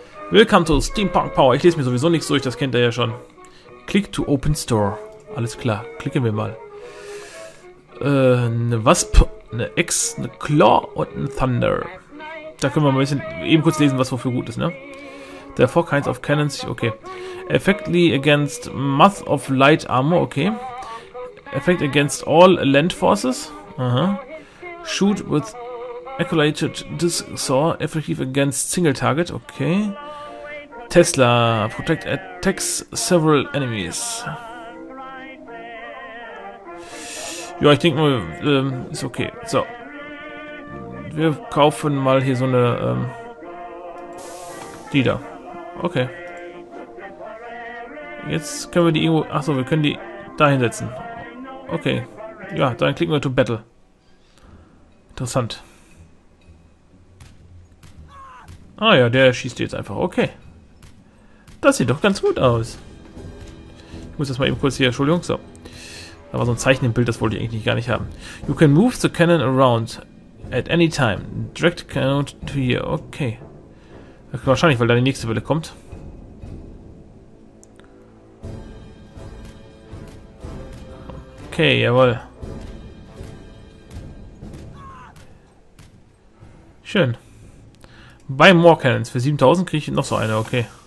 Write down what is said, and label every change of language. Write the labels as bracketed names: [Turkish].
[German] Willkommen zu Steampunk Power. Ich lese mir sowieso nichts durch, das kennt ihr ja schon. [English] Click to open store. [German] Alles klar, klicken wir mal. Eine Wasp, eine Ex, eine Claw und ein Thunder. Da können wir mal ein bisschen eben kurz lesen, was wofür gut ist, ne? [English] The four kinds of cannons, okay. Effectly against Moth of Light Armor, okay. Effect against all land forces. Aha. Shoot with accolated disc saw. Effective against single target. Okay. Tesla. Protect attacks several enemies. [German] Ja, ich denke mal, ist okay. So. Wir kaufen mal hier so eine, die da. Okay. Jetzt können wir die irgendwo. Achso, wir können die da hinsetzen. Okay, ja, dann klicken wir [English] to battle. [German] Interessant. Ah ja, der schießt jetzt einfach. Okay. Das sieht doch ganz gut aus. Ich muss das mal eben kurz hier, Entschuldigung, so. Da war so ein Zeichen im Bild, das wollte ich eigentlich gar nicht haben. [English] You can move the cannon around at any time. Direct cannon to here. Okay. [German] Das ist wahrscheinlich, weil da die nächste Welle kommt. Okay, jawohl. Schön. Bei More Cannons. Für 7000 kriege ich noch so eine. Okay.